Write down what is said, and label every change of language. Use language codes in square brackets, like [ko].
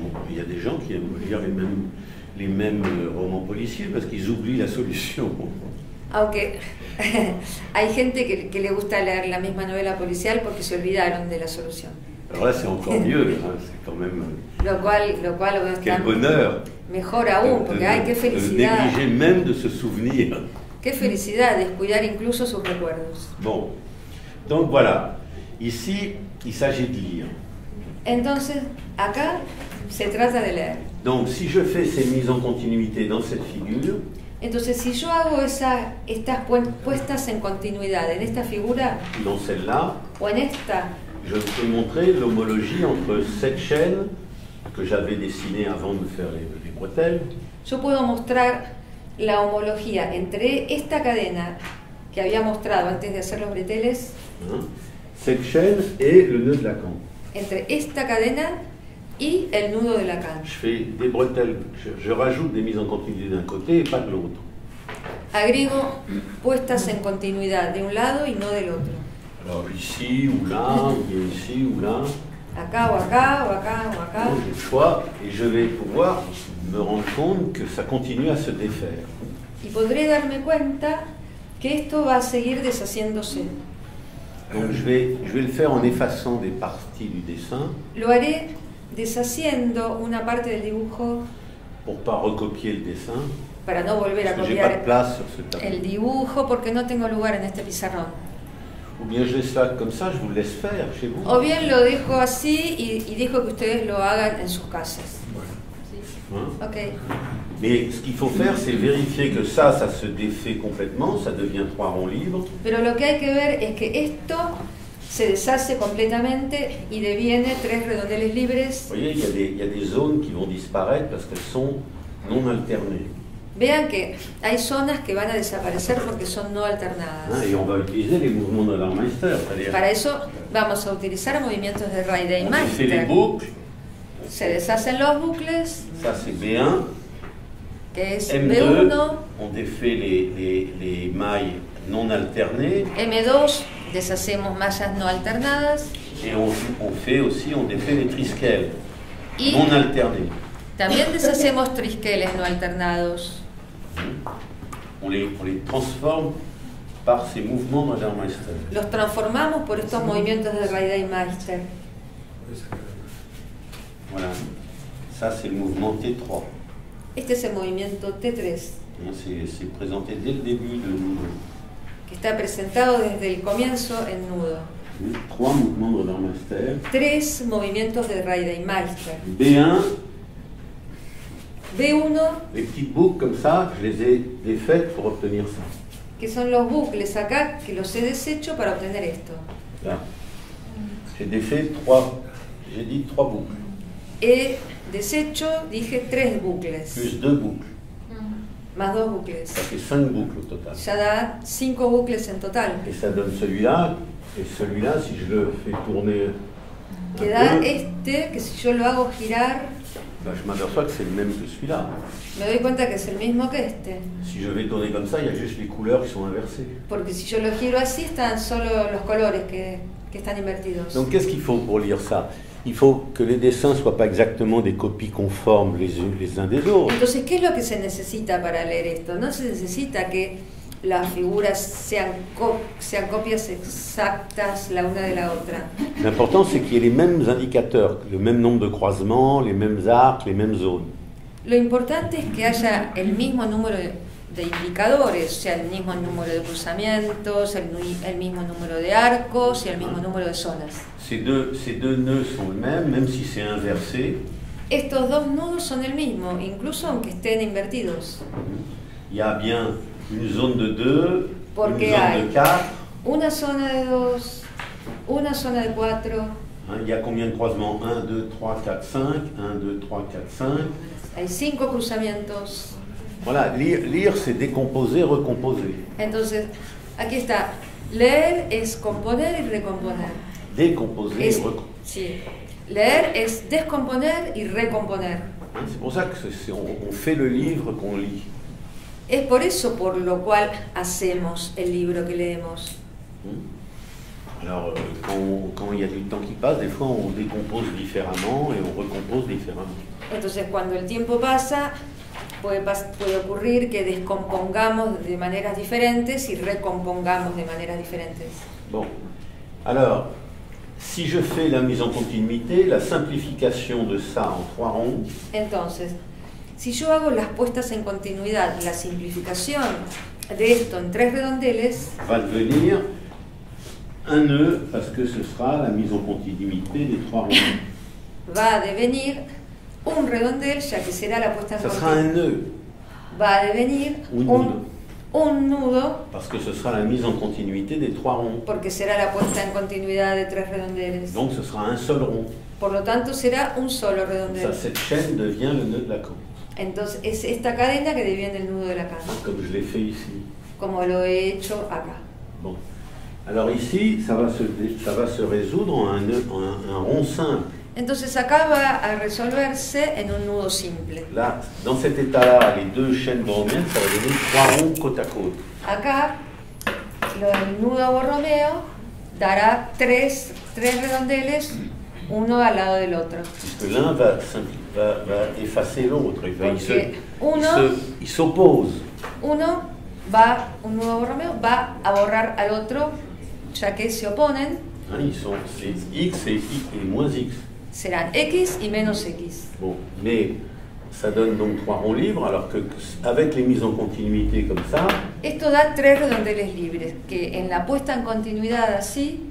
[fr] Il y a des gens qui aiment lire les mêmes romans policiers parce qu'ils oublient la solution. Ok. [es] Hay gente que le gusta leer la misma novela policial porque se olvidaron de la solución. [fr] Alors là, c'est encore mieux, hein. C'est quand même... [es] Lo cual, [fr] quel bonheur. [es] Mejor aún, porque hay que felicidad. [fr] De négliger même de se souvenir. [es] Qué felicidad, descuidar incluso sus recuerdos. [fr] Bon, donc voilà, ici, il s'agit de lire. [es] Entonces, acá, se trata de leer. [fr] Donc, si je fais ces mises en continuité dans cette figure... [es] Entonces, si yo hago estas puestas en continuidad en esta figura... [fr] Dans celle-là... [es] O en esta... [fr] Je peux montrer l'homologie entre cette chaîne que j'avais dessinée avant de faire les bretelles. [es] Yo puedo mostrar la homología entre esta cadena que había mostrado antes de hacer los breteles. [fr] Cette chaîne et le nœud de Lacan. [es] Entre esta cadena y el nudo de Lacan. [fr] Je fais des bretelles, je rajoute des mises en continuité d'un côté et pas de l'autre. [es] Agrego puestas en continuidad de un lado y no del otro. [fr] Alors ici ou là, ou bien ici ou là. [es] Acá ou acá, ou acá ou acá. [fr] J'ai le choix et je vais pouvoir me rendre compte que ça continue à se défaire. [es] Y podré darme cuenta que esto va a seguir deshaciéndose. [fr] Donc je vais le faire en effaçant des parties du dessin. [es] Lo haré deshaciendo una parte del dibujo. [fr] Pour pas recopier le dessin. [es] Para no volver a copiar. [fr] J'ai pas de place sur ce tableau. [es] El dibujo porque no tengo lugar en este pizarrón. [fr] Ou bien je laisse ça comme ça, je vous laisse faire chez vous. [es] O bien lo dejo así y dejo que ustedes lo hagan en sus casas. Okay. [fr] Mais ce qu'il faut faire, c'est vérifier que ça se défait complètement, ça devient trois ronds libres. [es] Pero lo que hay que ver es que esto se deshace completamente y deviene tres redondeles libres. [fr] Vous voyez, il y a des zones qui vont disparaître parce qu'elles sont non alternées. [es] Vean que hay zonas que van a desaparecer porque son no alternadas. [fr] Ah, y on va utiliser les mouvements de Rademeister. [es] Para eso vamos a utilizar movimientos de Rademeister. [fr] Les boucles. [es] Se deshacen los bucles. [fr] Ça c'est B1. [es] Que es M2, B1. [fr] On défait les mailles non alternées. [es] M2, deshacemos mallas no alternadas. [fr] Et on défait les triskels non alternés. [es] También deshacemos triskels no alternados. [fr] On les transforme par ces mouvements de Rademeister. [es] Los transformamos por estos movimientos de Rademeister. [fr] Voilà, ça c'est le mouvement T3. [es] Este es el movimiento T3. [fr] C'est présenté dès le début de nudo. [es] Que está presentado desde el comienzo en nudo. [fr] Trois mouvements de Rademeister. [es] Tres movimientos de Rademeister. B1. B1. [fr] Les petites boucles comme ça, je les ai défaites pour obtenir ça. [es] Que son los bucles acá que los he deshecho para obtener esto. [fr] Là. J'ai dit trois boucles. [es] He deshecho, dije, tres bucles. [fr] Plus deux boucles. [es] Más dos bucles. [fr] Ça fait cinq boucles au total. Ça [es] da cinco bucles en total. [fr] Et ça donne celui-là, et celui-là, si je le fais tourner que un da peu, [es] este, que si yo lo hago girar, [fr] ben je m'aperçois que c'est le même que celui-là. [es] Me doy cuenta que es el mismo que este. [fr] Si je vais tourner comme ça, il y a juste les couleurs qui sont inversées. [es] Porque si yo lo giro así, están solo los colores que están invertidos. [fr] Donc qu'est-ce qu'il faut pour lire ça? Il faut que les dessins soient pas exactement des copies conformes les uns des autres. [es] Entonces, ¿qué es lo que se necesita para leer esto? No se necesita que las figuras sean copias exactas la una de la otra. [fr] L'important c'est qu'il y ait les mêmes indicateurs, le même nombre de croisements, les mêmes arcs, les mêmes zones. [es] Lo importante es que haya el mismo número de indicadores, o sea, el mismo número de cruzamientos, el mismo número de arcos y el mismo número de zonas. [fr] Ces deux nœuds sont les mêmes, même si c'est inversé. [es] Estos dos nudos son el mismo, incluso aunque estén invertidos. [fr] Il y a bien une zone de 2, une zone de 4. [es] Una zona de 2, una zona de 4. [fr] Il y a combien de croisements? 1, 2, 3, 4, 5. 1, 2, 3, 4, 5. [es] Hay 5 cruzamientos. [fr] Voilà, lire c'est décomposer, recomposer. [es] Entonces, aquí está. Leer es componer y recomponer. [fr] Décomposer et recomposer. [es] Sí. Leer es descomponer y recomponer. [fr] C'est pour ça qu'on fait le livre qu'on lit. [es] Es por eso por lo cual hacemos el libro que leemos. [fr] Alors, quand il y a du temps qui passe, des fois on décompose différemment et on recompose différemment. [es] Entonces, cuando el tiempo pasa, puede ocurrir que descompongamos de maneras diferentes y recompongamos de maneras diferentes. [fr] Bon. Alors, si je fais la mise en continuité, la simplification de ça en trois ronds. [es] Entonces, si yo hago las puestas en continuidad, la simplificación de esto en tres redondeles, [fr] va devenir un nœud parce que ce sera la mise en continuité des trois ronds. [es] Va a devenir un redondel, ya que será la puesta en continuidad. [fr] Ça sera un nœud. [es] Va a devenir un nudo. [fr] Parce que ce sera la mise en continuité des trois ronds. [es] Porque será la puesta en continuidad de tres redondeles. [fr] Donc ce sera un seul rond. [es] Por lo tanto, será un solo redondel. [fr] Cette chaîne devient le nœud de la cante. [es] Entonces, es esta cadena que deviene el nudo de la cante. [fr] Comme je l'ai fait ici. [es] Como lo he hecho acá. [fr] Bon. Alors ici, ça va se résoudre en un rond simple. [es] Entonces acaba a resolverse en un nudo simple. [fr] Là, dans cet état-là, les deux chaînes borromées, ça va devenir trois ronds côte à côte. [es] Acá, el nudo borromeo dará tres redondeles uno al lado del otro. Porque [fr] l'un va effacer l'autre, il s'oppose. [es] Uno va, un nuevo Romeo va a borrar al otro, ya que se oponen. [fr] Ah, ils sont, c'est x et moins x. [es] Serán x y menos x. [fr] Bon, mais ça donne donc trois ronds libres, alors qu'avec les mises en continuité comme ça. [es] Esto da tres redondeles libres, que en la puesta en continuidad así.